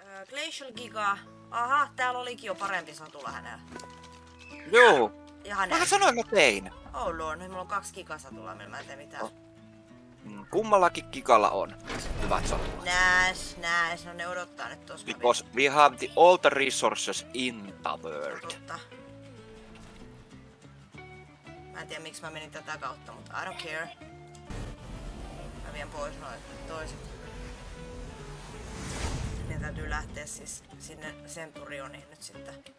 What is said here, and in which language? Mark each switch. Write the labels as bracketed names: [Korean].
[English] Glacial Giga. [Finnish] Aha, täällä olikin jo parempi satula hänellä. Joo. Ja hänellä. Mähän sanoin, että tein. Oh lord, nyt mulla on 2 gigasatulaa, millä mä en tee mitään. Kummallakin gigalla on hyvät satulat. Näs, no ne odottaa nyt tossa. [English] Because we have the all the resources in the world. [Finnish] Totta. Mä en tiedä miksi mä menin tätä kautta, mutta [English] I don't care. [Finnish] Mä vien pois noin toiset. Meidän täytyy lähteä siis sinne Centurioniin nyt sitten.